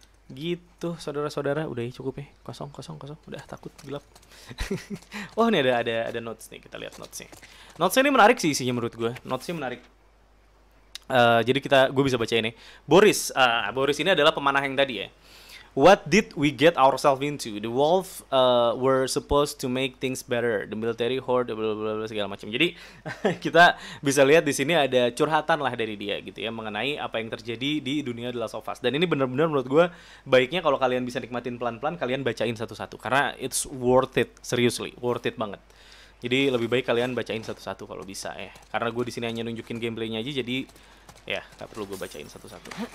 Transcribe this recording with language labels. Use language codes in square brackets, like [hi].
[id] Gitu, saudara-saudara. Udah ya, cukup ya. Kosong, kosong, kosong. Udah, takut, gelap. Oh, ini ada notes nih. Kita lihat notes-nya. Notes-nya ini menarik sih isinya menurut gue. Notes-nya menarik. Jadi gue bisa baca ini. Boris, Boris ini adalah pemanah yang tadi ya. [en] What did we get ourselves into? The wolf were supposed to make things better. The military horde, blah, blah, blah, [id] segala macam. Jadi kita bisa lihat di sini ada curhatan lah dari dia gitu ya mengenai apa yang terjadi di dunia The Last of Us. Dan ini benar-benar menurut gue baiknya kalau kalian bisa nikmatin pelan-pelan kalian bacain satu-satu karena [en] it's worth it, seriously worth it [id] banget. Jadi lebih baik kalian bacain satu-satu kalau bisa ya. Karena gue di sini hanya nunjukin gameplaynya aja, jadi ya nggak perlu gue bacain satu-satu.